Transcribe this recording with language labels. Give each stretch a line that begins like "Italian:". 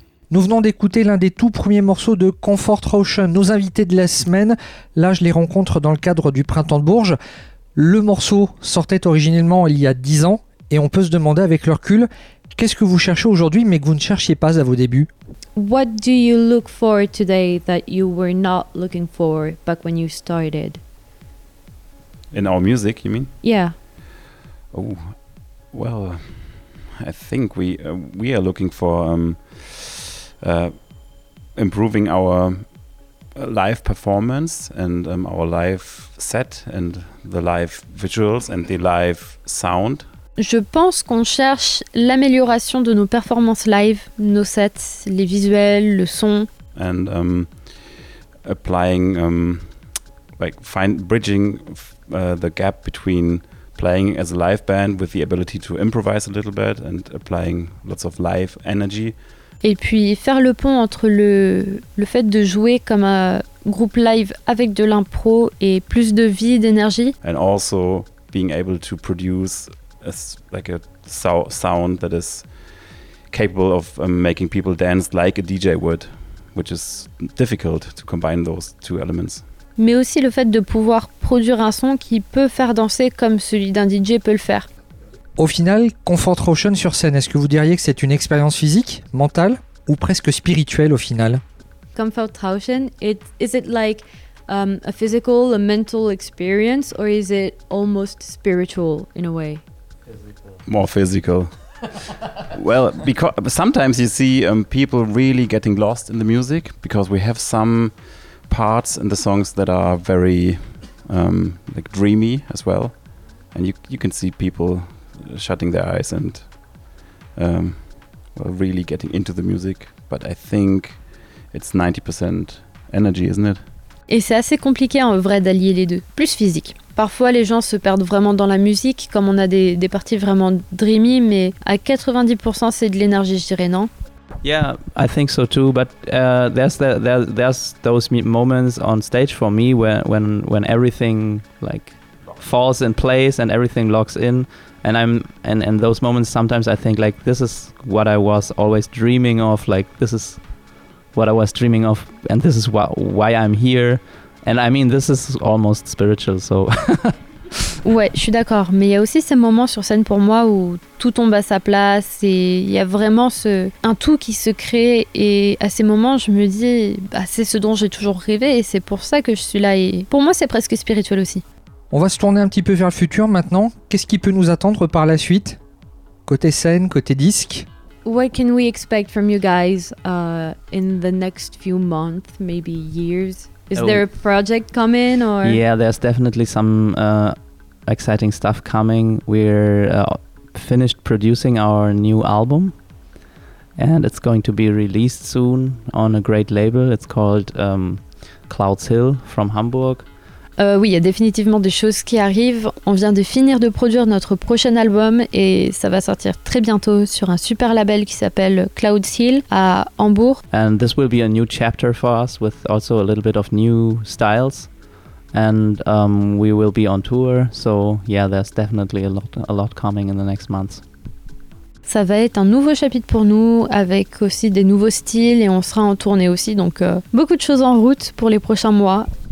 French: Nous venons d'écouter l'un des tout premiers morceaux de Comfort Ocean, nos invités de la semaine. Là, je les rencontre dans le cadre du Printemps de Bourges. Le morceau sortait originellement il y a 10 ans et on peut se demander avec le recul, qu'est-ce que vous cherchez aujourd'hui mais que vous ne cherchiez pas à vos débuts?
English: What do you look for today that you were not looking for back when you started? In our music, you mean? Yeah. Oh, well, I think we are looking for improving our live performance and our live set and the live visuals and the live sound.
French: Je pense qu'on cherche l'amélioration de nos performances live, nos sets, les visuels, le son.
English: And applying, like find bridging the gap between playing as a live band with the ability to improvise a little bit and applying lots of live energy.
French: Et puis faire le pont entre le fait de jouer comme un groupe live avec de l'impro et plus de vie, d'énergie.
English: And also being able to produce a sound that is capable of making people dance like a DJ would, which is difficult to combine those two elements.
French: Mais aussi le fait de pouvoir produire un son qui peut faire danser comme celui d'un DJ peut le faire. Au final, Comfort Ocean sur scène, est-ce que vous diriez que c'est une expérience physique, mentale ou presque spirituelle au final?
English: Comfort Ocean, is it like a physical, a mental experience or is it almost spiritual in a way? Physical. More physical. Well, because sometimes you see people really getting lost in the music because we have some parts in the songs that are very like dreamy as well, and you can see people shutting their eyes and really getting into the music, but I think it's 90% energy, isn't it?
French: Et c'est assez compliqué en vrai d'allier les deux, plus physique. Parfois les gens se perdent vraiment dans la musique, comme on a des parties vraiment dreamy, mais à 90% c'est de l'énergie, je dirais, non?
English: Yeah, I think so too. But there's those moments on stage for me when everything like falls in place and everything locks in, and in those moments sometimes I think like this is what I was always dreaming of, like this is what I was dreaming of, and this is why I'm here. And I mean, this is almost spiritual, so.
French: Ouais, je suis d'accord. Mais il y a aussi ces moments sur scène pour moi où tout tombe à sa place et il y a vraiment un tout qui se crée. Et à ces moments, je me dis, bah, c'est ce dont j'ai toujours rêvé et c'est pour ça que je suis là. Et pour moi, c'est presque spirituel aussi. On va se tourner un petit peu vers le futur maintenant. Qu'est-ce qui peut nous attendre par la suite? Côté scène, côté disque?
English: What can we expect from you guys in the next few months, maybe years? Is there a project coming or? Yeah, there's definitely some exciting stuff coming. We're finished producing our new album and it's going to be released soon on a great label. It's called Clouds Hill from Hamburg.
French: Oui, il y a définitivement des choses qui arrivent. On vient de finir de produire notre prochain album et ça va sortir très bientôt sur un super label qui s'appelle Clouds Hill à Hambourg.
English: And this will be a new chapter for us with also a little bit of new styles. And we will be on tour, so yeah, there's definitely a lot coming in the next months.
French: Ça va être un nouveau chapitre pour nous avec aussi des nouveaux styles et on sera en tournée aussi, donc beaucoup de choses en route pour les prochains mois.